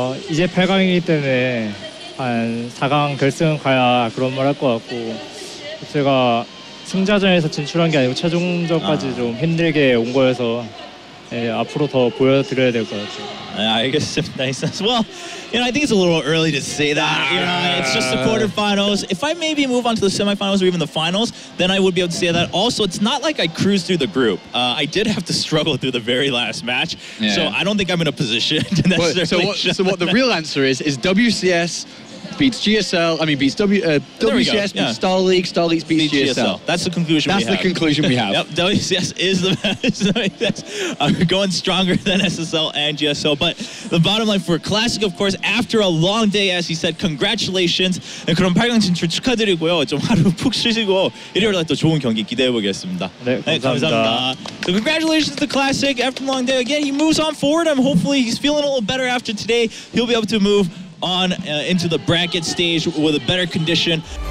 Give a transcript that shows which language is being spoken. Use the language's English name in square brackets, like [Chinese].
[Korean] 이제 8강이기 때문에 한 4강 결승 가야 그런 말 할 것 같고 제가 승자전에서 진출한 게 아니고 최종전까지 좀 힘들게 온 거여서 앞으로 더 보여드려야 될 것 같아요. [English] I guess if nice as well. You know, I think it's a little early to say that. You know, it's just the quarterfinals. If I maybe move on to the semifinals or even the finals, then I would be able to say that. Also, it's not like I cruised through the group. I did have to struggle through the very last match. Yeah. So I don't think I'm in a position to necessarily So what the real answer is WCS beats GSL, I mean, beats WCS beats Star League, Star League beats GSL. That's the conclusion we have. Yep, WCS is the best. Going stronger than SSL and GSL. But the bottom line for Classic, of course, after a long day, as he said, congratulations. [Korean] And 그럼 8강진 축하드리고요. 좀 하루 푹 쉬시고 일요일에 또 좋은 경기 기대해 보겠습니다. 네, 감사합니다. [English] So congratulations to Classic. After a long day, again, he moves on forward. And hopefully he's feeling a little better after today. He'll be able to move on into the bracket stage with a better condition.